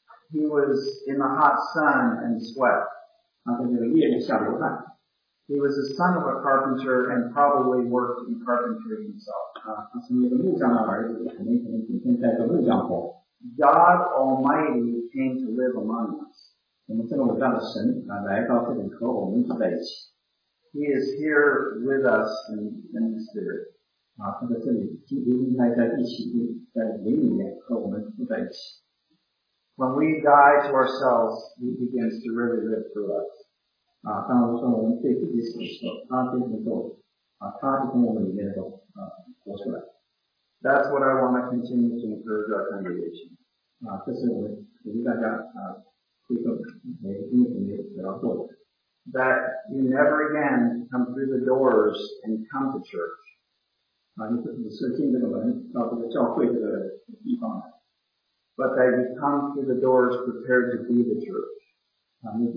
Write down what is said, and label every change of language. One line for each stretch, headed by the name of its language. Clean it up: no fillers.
English: He was in the hot sun and sweat.
Chinese: 他在这个烈日下流汗。
English: He was the son of a carpenter and probably worked in carpentry himself.
Chinese: 他是一个木匠的儿子，肯定整天在做木匠活。
English: God Almighty came to live among us.
Chinese: 我们这么伟大的神啊，来到这里和我们住在一起。
English: He is here with us in the spirit.
Chinese: 他在这里今天应该在一起，在灵里面和我们住在一起。
English: When we die to ourselves, He begins to really live through us.
Chinese: 当然说我们对自己死的时候，他变成肉，他就从我们里面的肉活出来。
English: That's what I want to continue to encourage our congregation.
Chinese: 这是我们鼓励大家推动每个弟兄姊妹要做的。
English: That you never again come through the doors and come to church.
Chinese: 你不只是进这个门到这个教会这个地方来。
English: But that you come through the doors prepared to be the church.